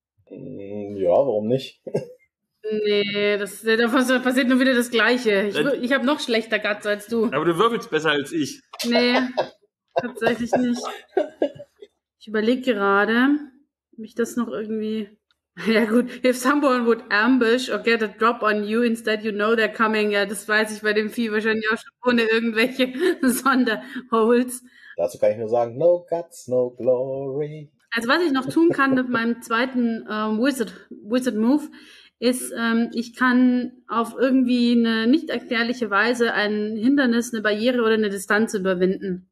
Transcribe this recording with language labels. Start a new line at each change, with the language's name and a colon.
German: Ja, warum nicht? Nee, das passiert nur wieder das Gleiche. Ich habe noch schlechter Guts als du. Aber du würfelst besser als ich. Nee, tatsächlich nicht. Ich überlege gerade, ob ich das noch irgendwie... Ja gut,
English: if someone would ambush or get a drop on you, instead you know they're coming.
German: Ja, das weiß ich bei dem Vieh wahrscheinlich auch schon ohne irgendwelche Sonderholes. Dazu kann ich nur sagen,
English: no guts, no glory.
German: Also was ich noch tun kann mit meinem zweiten Wizard Move, ist, ich kann auf irgendwie eine nicht erklärliche Weise ein Hindernis, eine Barriere oder eine Distanz überwinden.